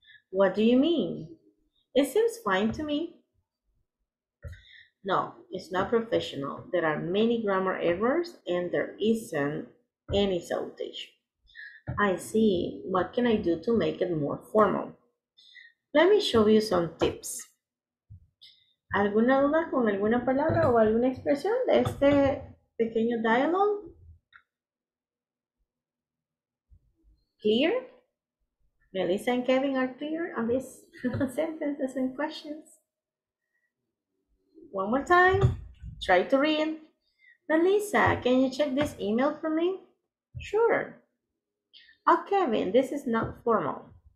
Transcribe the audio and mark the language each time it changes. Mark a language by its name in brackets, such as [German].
[English] What do you mean? It seems fine to me. No, it's not professional. There are many grammar errors and there isn't any salutation. I see. What can I do to make it more formal? Let me show you some tips. [Spanish] ¿Alguna duda con alguna palabra o alguna expresión de este pequeño diálogo? [English] Clear? Melissa and Kevin are clear on these sentences and questions. One more time. Try to read. Melissa, can you check this email for me? Sure. Oh, Kevin, this is not formal.